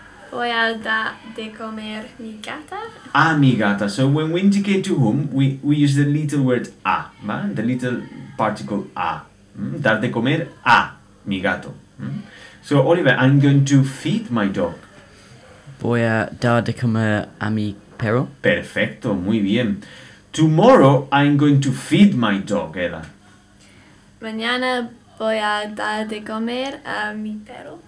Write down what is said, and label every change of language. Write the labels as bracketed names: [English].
[Spanish] Voy a dar de comer mi gata. A mi gata. [English] So, when we indicate to whom, we use the little word a. ¿Vale? The little particle a. [Spanish] Dar de comer a mi gato. [English] So, Oliver, I'm going to feed my dog. [Spanish] Voy a dar de comer a mi perro. Perfecto, muy bien. [English] Tomorrow, I'm going to feed my dog, Ella. [Spanish] Mañana voy a dar de comer a mi perro.